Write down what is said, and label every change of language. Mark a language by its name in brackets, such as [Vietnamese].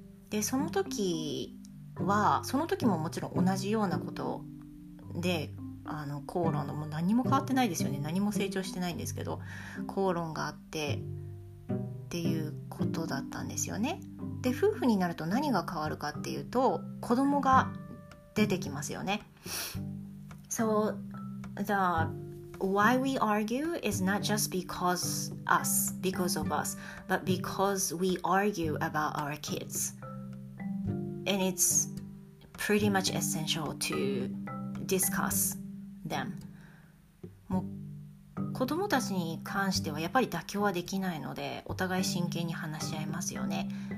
[Japanese] でその時ももちろん同じようなことで口論の、もう何も変わってないですよね、何も成長してないんですけど、口論があってっていうことだったんですよね。で夫婦になると何が変わるかっていうと、子供が出てきますよね。 [English] So the why we argue is not just because of us, but because we argue about our kids. And it's pretty much essential to discuss them. [Japanese] もう子供たちに関してはやっぱり妥協はできないので、お互い真剣に話し合いますよね。